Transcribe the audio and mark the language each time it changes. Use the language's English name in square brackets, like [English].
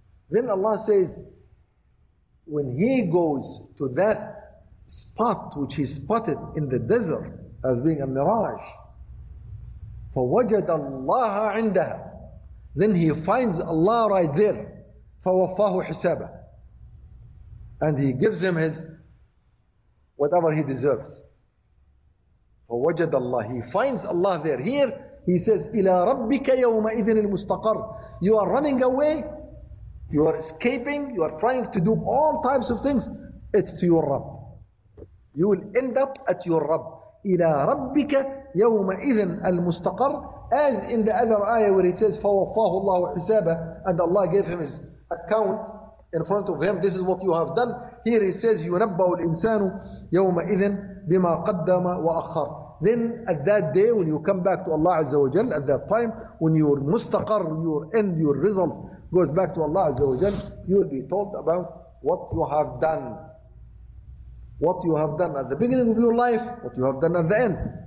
[English] Then Allah says, when he goes to that spot which he spotted in the desert as being a mirage, فَوَجَدَ اللَّهَ عِنْدَهَا, then he finds Allah right there, فَوَفَّاهُ حِسَابَهُ, and he gives him his whatever he deserves. فَوَجَدَ اللَّهَ, he finds Allah there. [Arabic] Here he says, إِلَى رَبِّكَ يَوْمَئِذٍ الْمُسْتَقَرِ. [English] You are running away, you are escaping, you are trying to do all types of things, it's to your Rabb. You will end up at your Rabb. إِلَى رَبِّكَ يَوْمَئِذٍ الْمُسْتَقَرِ, as in the other ayah where it says, فَوَفَّاهُ اللَّهُ حِسَابَهُ, and Allah gave him his account in front of him, this is what you have done. [Arabic] Here he says, يُنَبَّأُ الْإِنسَانُ يَوْمَئِذٍ بِمَا قَدَّمَ وَأَخَّرَ. [English] Then at that day, when you come back to Allah Azza wa Jal, at that time, when your mustaqar, your end, your result goes back to Allah Azza wa Jal, you will be told about what you have done. What you have done at the beginning of your life, what you have done at the end.